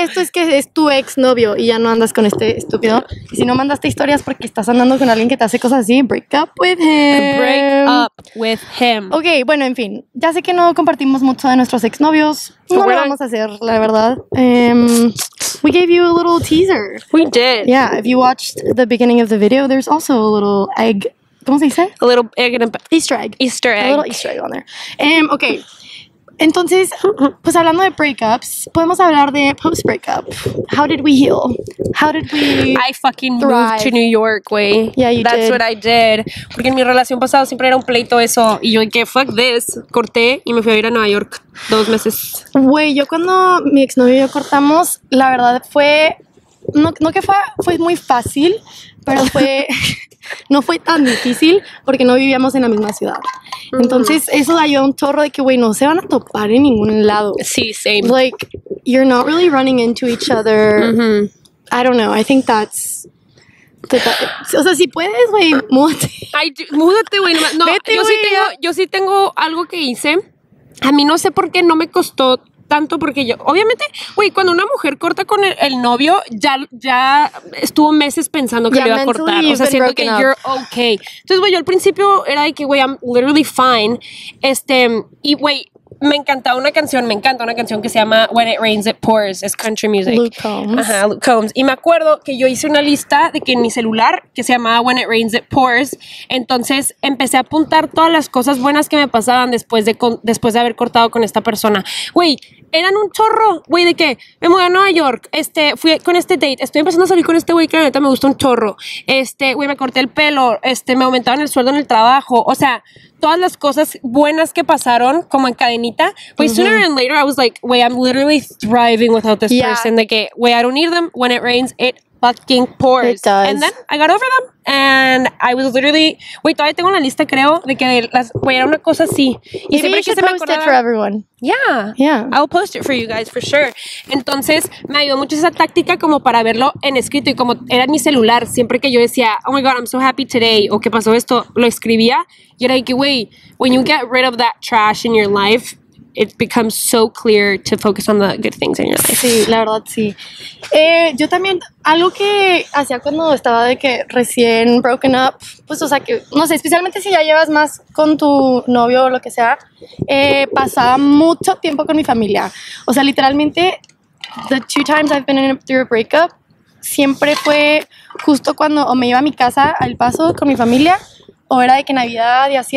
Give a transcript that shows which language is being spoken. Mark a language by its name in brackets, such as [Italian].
[Spanish] de esto es que es tu ex novio y ya no andas con este estúpido. Y si no mandaste historias porque estás andando con alguien que te hace cosas así, [English] break up with him. Break up with him. [Spanish] Okay, bueno, en fin. Ya sé que no compartimos mucho de nuestros ex novios. So no lo vamos a hacer, la verdad. [English] We gave you a little teaser. We did. Yeah, if you watched the beginning of the video, there's also a little egg. [Spanish] ¿Cómo se dice? [English] A little egg and a... Easter egg. Easter egg. A little Easter egg on there. Okay. [Spanish] Entonces, pues hablando de breakups, podemos hablar de post-breakup. [English] How did we heal? How did we I fucking thrive? Moved to New York, güey. Yeah, you That's did. That's what I did. [Spanish] Porque en mi relación pasada siempre era un pleito eso. Y yo dije, [English] fuck this. [Spanish] Corté y me fui a ir a Nueva York 2 meses. Güey, yo cuando mi exnovio y yo cortamos, la verdad fue... No que fue muy fácil, pero fue... No fue tan difícil porque no vivíamos en la misma ciudad. Entonces, eso da yo un chorro de que, güey, no se van a topar en ningún lado. Sí, same. [English] Like, you're not really running into each other. Mm-hmm. I don't know. I think that's... [Spanish] O sea, si puedes, güey, múdate. Ay, múdate, güey. No, vete, yo sí tengo algo que hice. A mí no sé por qué no me costó tanto porque yo, obviamente, güey, cuando una mujer corta con el novio, ya estuvo meses pensando que iba a cortar. O sea, siento que [English] you're okay. [Spanish] Entonces, güey, yo al principio era de que, güey, [English] I'm literally fine. [Spanish] Y, güey, me encanta una canción que se llama When It Rains, It Pours. Es country music. Luke Combs. Ajá, Luke Combs. Y me acuerdo que yo hice una lista de que en mi celular que se llamaba When It Rains, It Pours. Entonces empecé a apuntar todas las cosas buenas que me pasaban después de haber cortado con esta persona. Güey, eran un chorro, güey, de que me mudé a Nueva York. Fui con este date. Estoy empezando a salir con este güey que la neta me gusta un chorro. Güey, me corté el pelo. Me aumentaron el sueldo en el trabajo. O sea, todas las cosas buenas que pasaron como en cadenita. Güey, mm-hmm. [English] Sooner and later I was like, güey, I'm literally thriving without this yeah. person. [Spanish] De que, güey, [English] I don't need them. When it rains, it fucking pours. It does. And then I got over them. And I was literally, [Spanish] güey, todavía tengo la lista, creo, de que las, güey, era una cosa así. Y siempre que se me acordaba. [English] For everyone. Yeah. Yeah. I'll post it for you guys for sure. [Spanish] Entonces, me ayudó mucho esa táctica como para verlo en escrito y como era mi celular, siempre que yo decía, [English] oh my God, I'm so happy today, [Spanish] o qué pasó esto, lo escribía. Y era [English] like, güey, when you get rid of that trash in your life, it becomes so clear to focus on the good things in your life. [Spanish] Sí, la verdad, sí. Yo también, algo que hacía cuando estaba de que recién broken up, pues, o sea, que, no sé, especialmente si ya llevas más con tu novio o lo que sea, pasaba mucho tiempo con mi familia. O sea, literalmente, [English] the two times I've been through a breakup, [Spanish] siempre fue justo cuando o me iba a mi casa al paso con mi familia, o era de que Navidad y así.